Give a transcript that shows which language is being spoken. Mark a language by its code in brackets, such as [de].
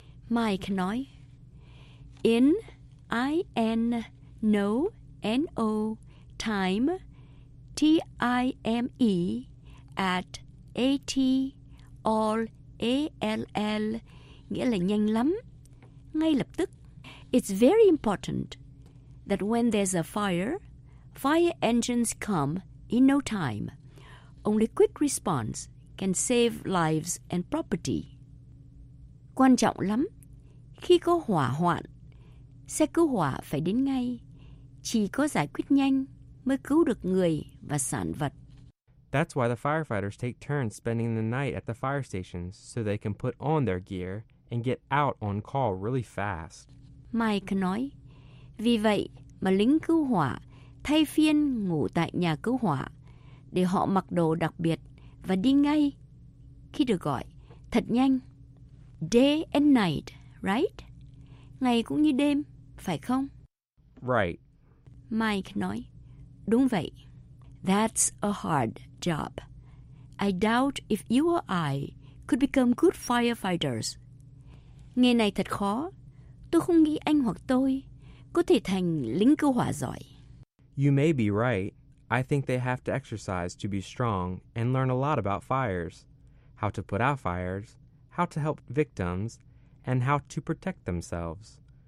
[vi] Mike nói, [en] in, I-N, no, N-O, time, T-I-M-E, at, A-T, all, A-L-L, [vi] nghĩa là nhanh lắm, ngay lập tức. [en] It's very important that when there's a fire, fire engines come in no time. only quick response can save lives and property. [vi] Quan trọng lắm. Khi có hỏa hoạn, xe cứu hỏa phải đến ngay. Chỉ có giải quyết nhanh mới cứu được người và sản vật. [en] That's why the firefighters take turns spending the night at the fire stations so they can put on their gear and get out on call really fast. [vi] Mike nói, vì vậy mà lính cứu hỏa thay phiên ngủ tại nhà cứu hỏa để họ mặc đồ đặc biệt và đi ngay khi được gọi, thật nhanh. [en] Day and night, right? [vi] Ngày cũng như đêm, phải không? [en] Right. [vi] Mike nói, đúng vậy. [en] That's a hard job. I doubt if you or I could become good firefighters. [vi] Nghề này thật khó. Tôi không nghĩ anh hoặc tôi có thể thành lính cứu hỏa giỏi. [en] You may be right. I think they have to exercise to be strong and learn a lot about fires, how to put out fires, how to help victims, and how to protect themselves.